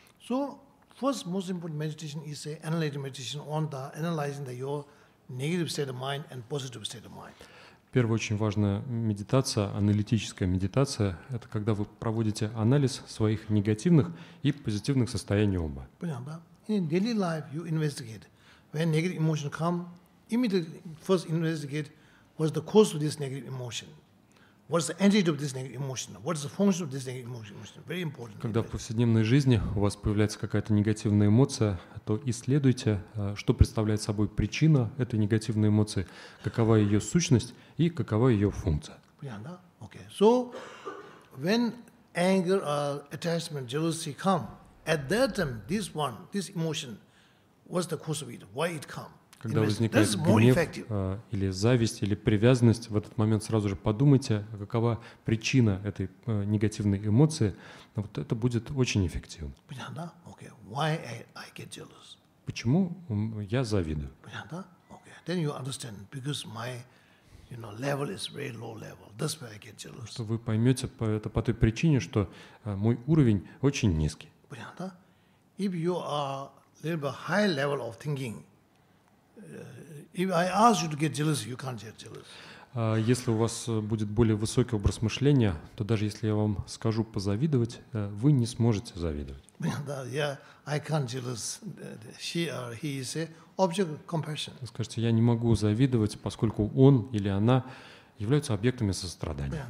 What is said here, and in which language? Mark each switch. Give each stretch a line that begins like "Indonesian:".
English: So, first most important meditation is a analytic meditation on the analyzing the your negative state of mind and positive state of mind.
Russian: Первая очень важная медитация, аналитическая медитация, это когда вы проводите анализ своих негативных и позитивных состояний ума.
English: Понятно? In daily life you investigate. When negative emotion come, immediately first investigate what's the cause of this negative emotion. What's the entity of this negative emotion? What's the function of this negative emotion? Very important.
Russian: Когда в повседневной жизни у вас появляется какая-то негативная эмоция, то исследуйте, что представляет собой причина этой негативной эмоции, какова ее сущность и какова ее функция. Понятно? Okay.
English: So, when anger, attachment, jealousy come, at that time, this one, this emotion, what's the cause of it? Why it come?
Russian: Когда возникает гнев, или зависть, или привязанность, в этот момент сразу же подумайте, какова причина этой негативной эмоции. Вот это будет очень эффективно.
English: Понятно? Okay. Why I get jealous?
Russian: Почему я завидую? Понятно? Okay.
English: Then you understand, because my, you know, level is very low level. That's why I get jealous.
Russian: Вы поймете это по той причине, что мой уровень очень низкий. Понятно?
English: If you are a little bit high level of thinking, if I ask you to get jealous, you can't get jealous.
Russian: Если у вас будет более высокий образ мышления, то даже если я вам скажу позавидовать, вы не сможете завидовать.
English: Да, yeah, I can't jealous. She or he is a object of compassion.
Russian: Вы скажете, я не могу завидовать, поскольку он или она являются объектами сострадания.